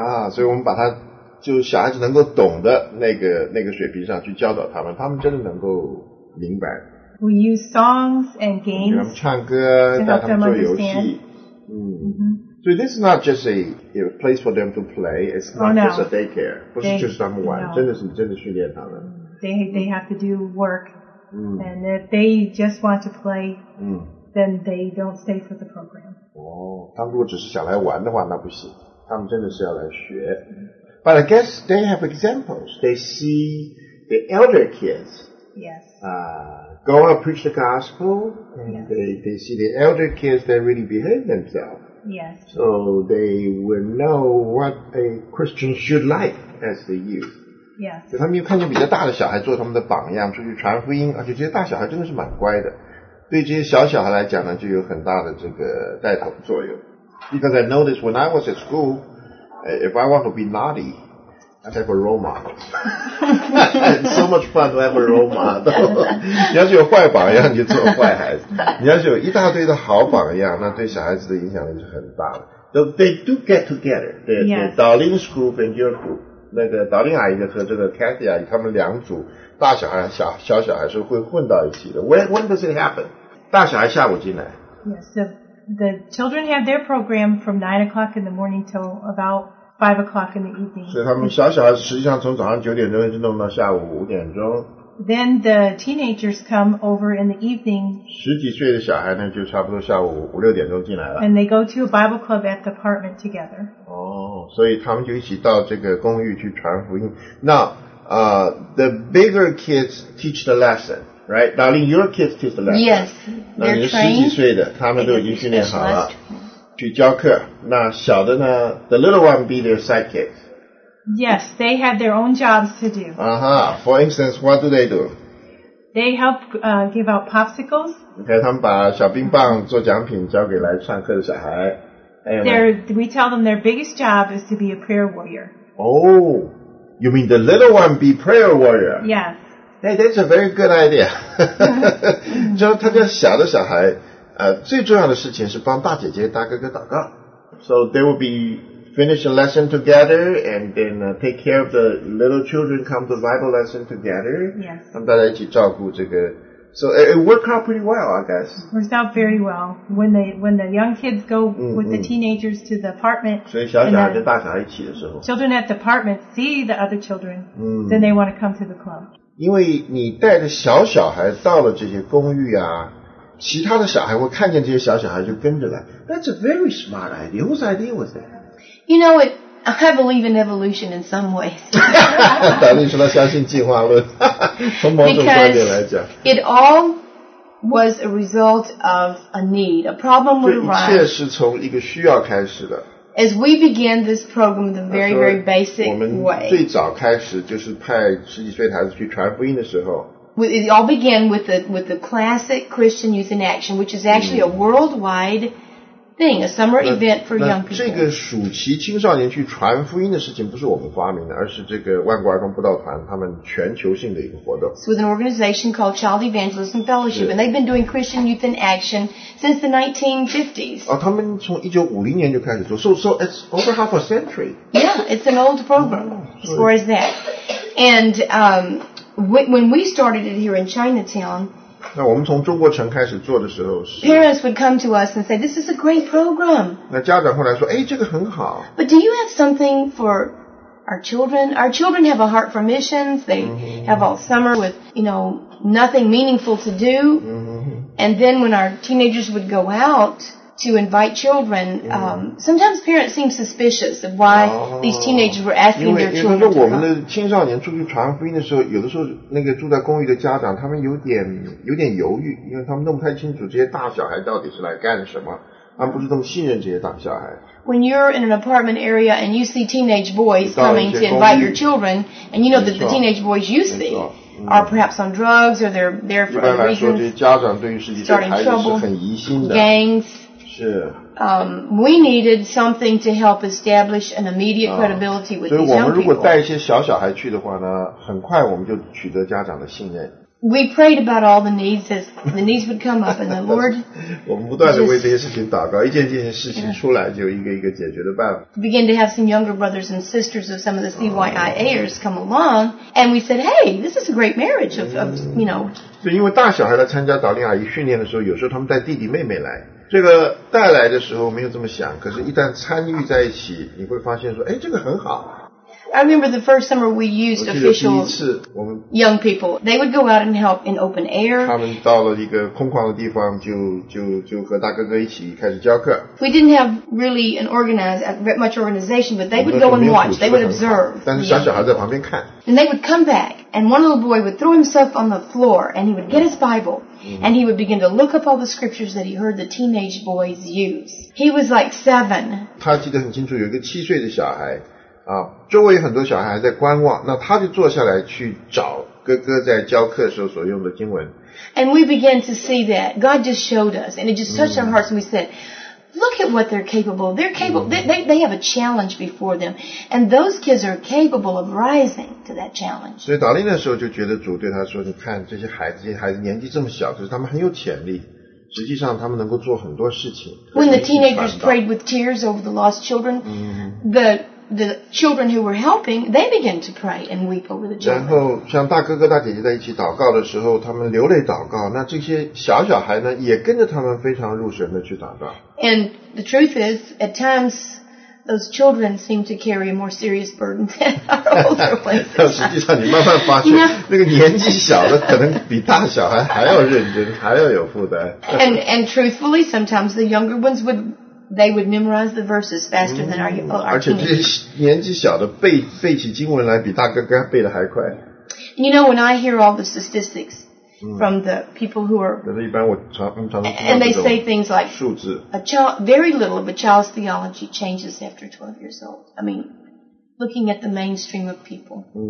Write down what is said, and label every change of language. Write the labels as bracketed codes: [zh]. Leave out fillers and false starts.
[zh] 所以我们把它就是小孩子能够懂的那个水平上去教导他们，他们真的能够明白。 [en] We use songs and games. [zh] 他们唱歌，带他们做游戏。 [en] So this is not just a place for them to play. It's not just a daycare. [zh] 不是就是他们玩，真的训练他们。 [en] They have to do work. And if they just want to play, then they don't stay for the program. [zh] 他们如果只是想来玩的话，那不行。他们真的是要来学。 [en] But I guess they have examples. They see the elder kids. Yes. Go and preach the gospel. And yes. They see the elder kids that really behave themselves. Yes. So they will know what a Christian should like as the youth. Yes. [zh] 所以他们又看见比较大的小孩做他们的榜样，出去传福音，而且这些大小孩真的是蛮乖的。对这些小小孩来讲呢，就有很大的这个带头作用。 [en] Because I noticed when I was at school,If I want to be naughty, I have a role model. So much fun to have a role model. [zh] 你要是有坏榜样，你就做坏孩子。你要是有一大堆的好榜样，那对小孩子的影响力是很大的。 [en] So they do get together. Yes. Darlene's group and your group. [zh] 那个 Darlene 阿姨和这个 Kathy 阿姨，他们两组大小孩、小小孩是会混到一起的。 [en] When does it happen? [zh] 大小孩下午进来。 [en] Yes. The children have their program from 9 o'clock in the morning till about 5 o'clock in the evening. [zh] 所以他们小小孩实际上从早上九点钟一直弄到下午五点钟。 [en] Then the teenagers come over in the evening. [zh] 十几岁的小孩呢就差不多下午五六点钟进来了。 [en] And they go to a Bible club at the apartment together. [zh] 所以他们就一起到这个公寓去传福音。 [en] Now, the bigger kids teach the lesson. Right, darling, your kids teach the lesson. Yes, they're trained. [zh] 那你十几岁的，他们都已经训练好了，去教课。那小的呢 [en] ？The little one be their sidekick. Yes, they have their own jobs to do. For instance, what do they do? They help give out popsicles. [zh] Okay, 他们把小冰棒做奖品交给来上课的小孩。 [en] We tell them their biggest job is to be a prayer warrior. Oh, you mean the little one be prayer warrior? Yes. Hey, that's a very good idea. [zh] 就他家小的小孩，最重要的事情是帮大姐姐、大哥哥祷告。 [en] So they will be finish a lesson together, and then take care of the little children. Come to Bible lesson together. Yes. [zh] 让大家一起照顾这个。 [en] So it worked out pretty well, I guess. Works out very well when the young kids go with the teenagers to the apartment. [zh] 所以小小孩跟大小孩一起的时候 [en] ，children at the apartment see the other children, then they want to come to the club. [zh] 因为你带着小小孩到了这些公寓啊，其他的小孩会看见这些小小孩就跟着来。 [en] That's a very smart idea. Whose idea was that? You know, I believe in evolution in some ways. [zh] 达利说他相信进化论。从某种观点来讲 [en] ，It all was a result of a need, a problem would arise. [zh] 一切是从一个需要开始的。 [en] As we began this program the very, very basic way. [zh] 最早开始就是派十几岁孩子去传福音的时候。 [en] It all began with the classic Christian Youth in Action, which is actually a worldwide thing, a summer event for young people. [zh] 这个暑期青少年去传福音的事情不是我们发明的，而是这个万国儿童布道团他们全球性的一个活动。 [en] It's with an organization called Child Evangelism Fellowship, and they've been doing Christian Youth in Action since the 1950s. [zh] 他们从1950年就开始做 [en] so it's over half a century. Yeah, it's an old program, as far as that. And when we started it here in Chinatown, [zh] 那我们从中国城开始做的时候是 [en] Parents would come to us and say, this is a great program. [zh] 那家长后来说，哎，这个很好。 [en] But do you have something for our children? Our children have a heart for missions. They have all summer with, you know, nothing meaningful to do. And then when our teenagers would go out to invite children, sometimes parents seem suspicious of why these teenagers were asking their children to come. [zh] 因为我们的青少年出去传福音的时候，有的时候那个住在公寓的家长，他们有点犹豫，因为他们弄不太清楚这些大小孩到底是来干什么。他们不是这么信任这些大小孩。 [en] When you're in an apartment area and you see teenage boys coming to invite your children, and you know that the teenage boys you see are perhaps on drugs or they're there for other reasons. [zh] 一般来说，这些家长对于实际上孩子是很疑心的。 [en] Gangs. [zh] 是。 [en] We needed something to help establish an immediate credibility with these young people. [zh] 所以我们如果带一些小小孩去的话呢，很快我们就取得家长的信任。 [en] We prayed about all the needs as the needs would come up, and the Lord. [zh] 我们不断的为这些事情祷告，一件件事情出来就一个一个解决的办法。 [en] Begin to have some younger brothers and sisters of some of the CYIAers come along, and we said, "Hey, this is a great marriage of you know." [zh] 对，因为大小孩来参加导灵阿姨训练的时候，有时候他们带弟弟妹妹来。这个带来的时候没有这么想，可是一旦参与在一起，你会发现说，哎，这个很好。 [en] I remember the first summer we used official young people. They would go out and help in open air. [zh] 他们到了一个空旷的地方就和大哥哥一起开始教课。 [en] We didn't have really an organized, much organization, but they would go and watch. They would observe. [zh] 但是小小孩在旁边看。 [en] And they would come back, and one little boy would throw himself on the floor, and he would get his Bible, and he would begin to look up all the scriptures that he heard the teenage boys use. He was like 7. [zh] 他记得很清楚，有一个七岁的小孩。周围很多小孩在观望，那他就坐下来去找哥哥在教课时候所用的经文。 [en] And we began to see that God just showed us, and it just touched our hearts, and we said, "Look at what they're capable. They're capable. They have a challenge before them, and those kids are capable of rising to that challenge." [zh] 所以祷告的时候就觉得主对他说：“你看这些孩子年纪这么小，可是他们很有潜力。” 实际上他们能够做很多事情。 [en] When the teenagers prayed with tears over the lost children, the children who were helping, they began to pray and weep over the children. [zh] 然后像大哥哥大姐姐在一起祷告的时候，他们流泪祷告，那这些小小孩呢，也跟着他们非常入神的去祷告。 [en] And the truth is, at times, those children seem to carry a more serious burden than our older ones. [zh] 实际上你慢慢发现，那个年纪小的可能比大小孩还要认真，还要有负担。 [en] And truthfully, sometimes the younger ones would... They would memorize the verses faster than our teenagers. [zh] 而且这些年纪小的背起经文来比大哥哥背的还快。 [en] And you know, when I hear all the statistics from the people who are, [zh] 一般我常 [en] and they say things like, [zh] 数字 [en] a child, very little of a child's theology changes after 12 years old. I mean, looking at the mainstream of people.